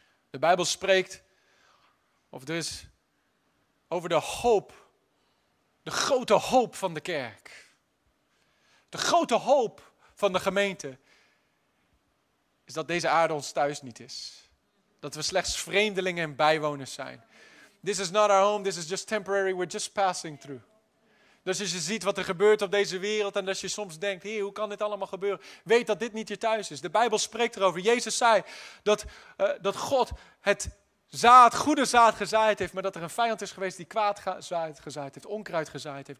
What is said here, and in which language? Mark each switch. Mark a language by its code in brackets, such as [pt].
[nl] De Bijbel spreekt, of dus, over de hoop, de grote hoop van de kerk. De grote hoop van de gemeente is dat deze aarde ons thuis niet is. Dat we slechts vreemdelingen en bijwoners zijn. [en] This is not our home, this is just temporary, we're just passing through. [nl] Dus als je ziet wat er gebeurt op deze wereld en als je soms denkt, hey, hoe kan dit allemaal gebeuren? Weet dat dit niet je thuis is. De Bijbel spreekt erover. Jezus zei dat God het zaad, goede zaad gezaaid heeft, maar dat er een vijand is geweest die kwaad zaad gezaaid heeft, onkruid gezaaid heeft.